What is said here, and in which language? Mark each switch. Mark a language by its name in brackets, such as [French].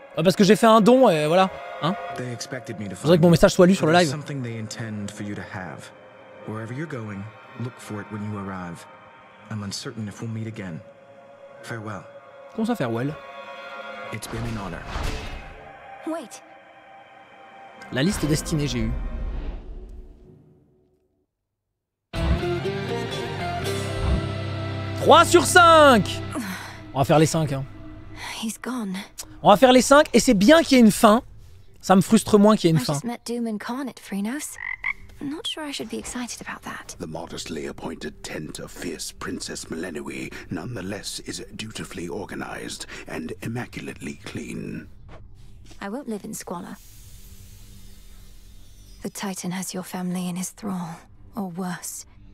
[French] Ah, parce que j'ai fait un don et voilà. Hein? Il faudrait que mon message soit lu sur le live. [English] Something they intend for you to have. Wherever you're going, look for it when you arrive. I'm uncertain if we'll meet again. Farewell. [French] Comment ça, farewell? [English] It's been an honor. Wait. [French] La liste destinée, j'ai eu. Trois sur cinq. On va faire les cinq, hein. [English] He's gone. [French] On va faire les cinq, et c'est bien qu'il y ait une fin. Ça me frustre moins qu'il y ait une fin. [English] I just met Doom incarnate, Freenos. Not sure I should be excited about that. The modestly appointed tent of fierce Princess Melenui nonetheless is dutifully organized and immaculately clean. I won't live in squalor. The Titan has your family in his thrall, or worse.